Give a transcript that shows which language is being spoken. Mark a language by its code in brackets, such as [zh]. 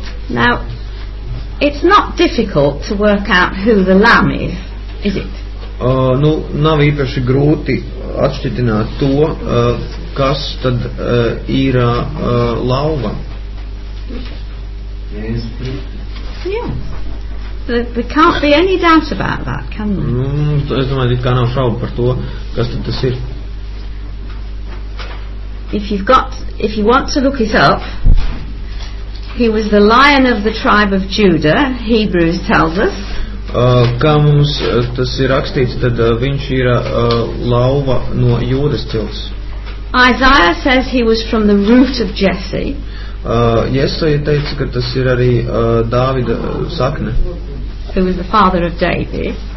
[en] Now, it's not difficult to work out who the lamb is, is it? [lv] Nav īpaši grūti atšķitināt to, kas tad ir lauva. [en] Yeah. There can't be any doubt about that, can there? [lv] Es domāju, it kā nav šaubu par to, kas tad tas ir. [en] If you want to look it up, he was the lion of the tribe of Judah, Hebrews tells us. [lv] Kā mums tas ir rakstīts, tad viņš ir lauva no Jūdas cilts. [en] Isaiah says he was from the root of Jesse. [lv] Jesaja teica, ka tas ir arī Dāvida sakne. [en] Who was the father of David.